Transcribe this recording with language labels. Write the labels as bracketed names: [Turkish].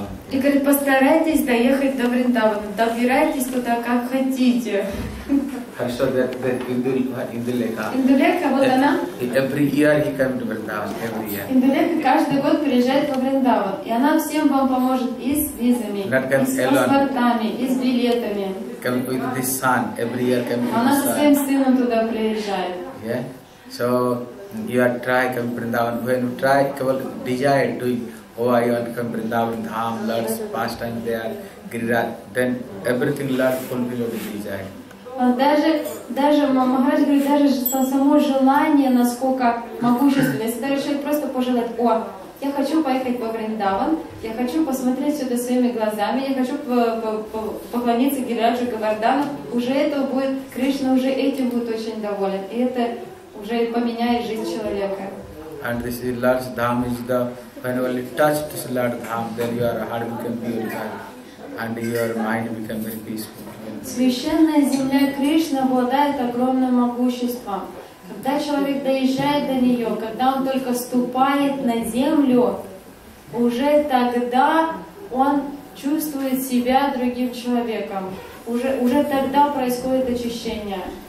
[Russian] И говорит, постарайтесь доехать до Вриндавана, добирайтесь туда, как хотите. Хорошо, Индулека. Индулека, вот она. [English] Every year he comes to Vrindavan, every year. [Russian] Индулека каждый год приезжает во Вриндаван, и она всем вам поможет и с визами, и с паспортами, и с билетами. [English] Come with this son, every year come with [Russian] Она всем сыном туда приезжает. [English] Yeah, so. You are try come Vrindavan. When you try come desire doing, I want to come Vrindavan, Dham, Lord's pastime there, Giriraj, then everything Lord fulfill your desire. [Russian] Даже Махарадж говорит, даже само желание, насколько могущественно, если даже человек просто пожелает, о, я хочу поехать во Вриндаван, я хочу посмотреть сюда своими глазами, я хочу поклониться Гирираджу Говардану, уже этого будет, Кришна уже этим будет очень доволен. И это уже поменяет жизнь человека. [English] And this is Lord's Dham is the when only touch this Lord's Dham, then your heart becomes beautiful and your mind becomes very peaceful. [Russian] Священная земля Кришны обладает огромным могуществом. Когда человек доезжает до нее, когда он только ступает на землю, уже тогда он чувствует себя другим человеком. Уже тогда происходит очищение.